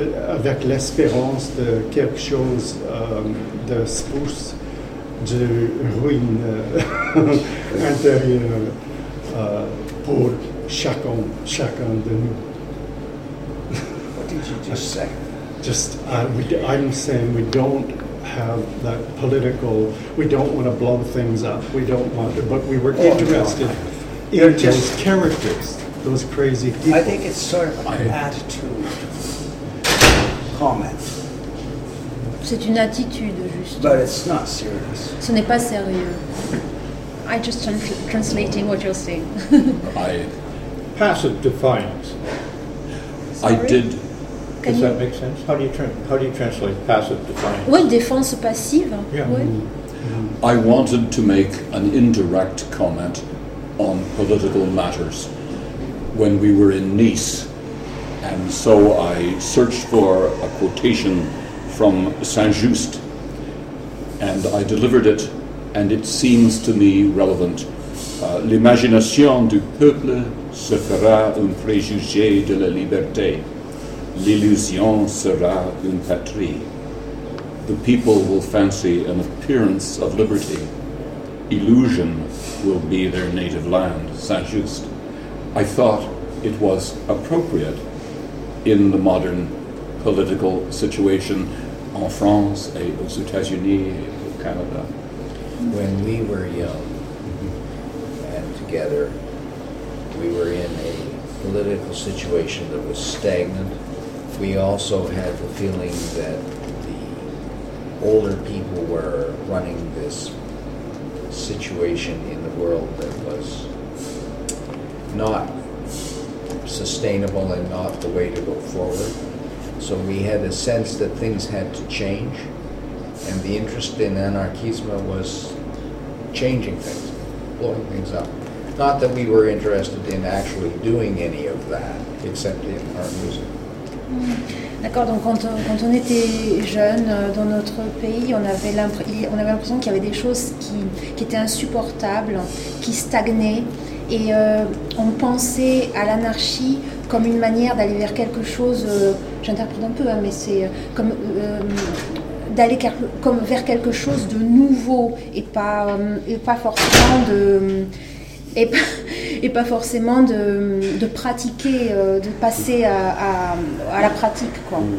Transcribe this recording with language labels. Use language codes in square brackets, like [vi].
[fr] avec l'espérance de quelque chose de spruce, de ruine intérieure pour chacun de nous. [en] What did you just say? I'm saying we don't have that political, we don't want to blow things up, we don't want to, but we were interested in those characters, those crazy people. I think it's sort of an attitude comment. [fr] C'est une attitude, juste. [en] But it's not serious. [fr] Ce n'est pas sérieux. [en] I'm just translating what you're saying. I passive defiance. Sorry? I did. Can Does you... that make sense? How do you translate passive defiance? [fr] Oui, défense passive. [en] Yeah. [fr] Oui. Mm-hmm. [en] I wanted to make an indirect comment on political matters when we were in Nice. And so I searched for a quotation from Saint-Just, and I delivered it, and it seems to me relevant. [fr] L'imagination du peuple se fera un préjugé de la liberté. L'illusion sera une patrie. [en] The people will fancy an appearance of liberty. Illusion will be their native land, Saint-Just. I thought it was appropriate in the modern political situation [fr] en France et aux États-Unis et au Canada. [en] When we were young and together, we were in a political situation that was stagnant. We also had the feeling that the older people were running this situation in the world that was not sustainable and not the way to go forward. So we had a sense that things had to change, and the interest in anarchisme was changing things, blowing things up. Not that we were interested in actually doing any of that, except in our music. Mm. [fr] D'accord, donc quand on était jeune dans notre pays, on avait l'impression qu'il y avait des choses qui étaient insupportables, qui stagnaient. Et on pensait à l'anarchie comme une manière d'aller vers quelque chose, j'interprète un peu, hein, mais c'est comme d'aller comme vers quelque chose de nouveau et pas forcément de pratiquer, de passer à la pratique, quoi.